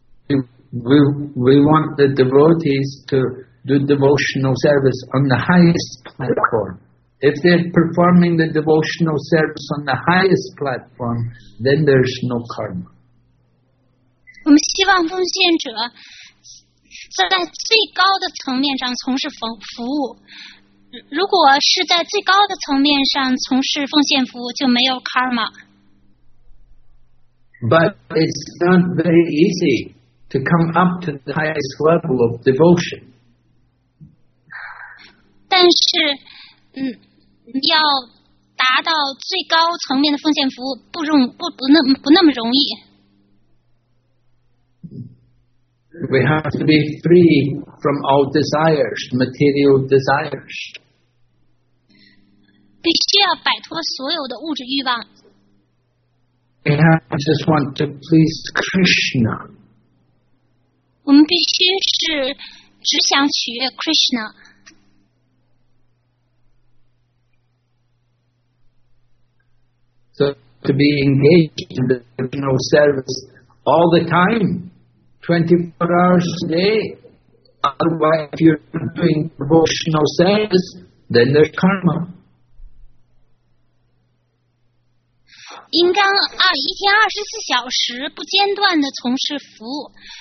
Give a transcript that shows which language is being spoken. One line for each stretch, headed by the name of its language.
English: We want the devotees to do devotional service on the highest platform, If they're performing the devotional service on the highest platform, then there's no karma.
Chinese: 我们希望奉献者在最高的层面上从事服务。如果是在最高的层面上从事奉献服务，就没有 karma。
English: But it's not very easy to come up to the highest level of devotion.
Chinese: 但是，要达到最高层面的奉献服务不那么容易。
English: We have to be free from all desires, material desires.
Chinese: 必须要摆脱所有的物质欲望。
English: We have to just want to please Krishna.
Chinese: 我们必须是只想取悦 Krishna。
English: So to be engaged in the devotional service all the time, 24 hours a day. Otherwise, if you're doing devotional service, then there's karma.
Chinese: 应当一天24小时不间断地从事服务。